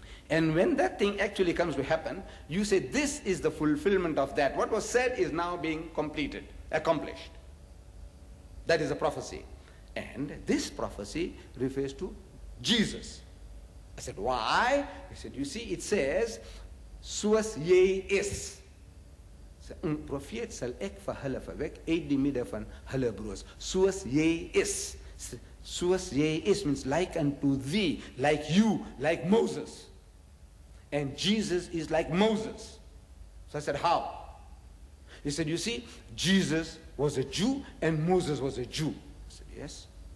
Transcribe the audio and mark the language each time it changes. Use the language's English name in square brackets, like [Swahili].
[English] And when that thing actually comes to happen, you say, this is the fulfillment of that. What was said is now being completed, accomplished. That is a prophecy. And this prophecy refers to Jesus. I said, why? He said, you see, it says, [Afrikaans] Suas jy is. Sy profeet sal ek vir hulle verwek uit die middel van hulle broers. Soos jy is. Soos jy is [English] means like unto thee, like you, like Moses. And Jesus is like Moses. So I said, how? He said, you see, Jesus was a Jew and Moses was a Jew. I said, yes.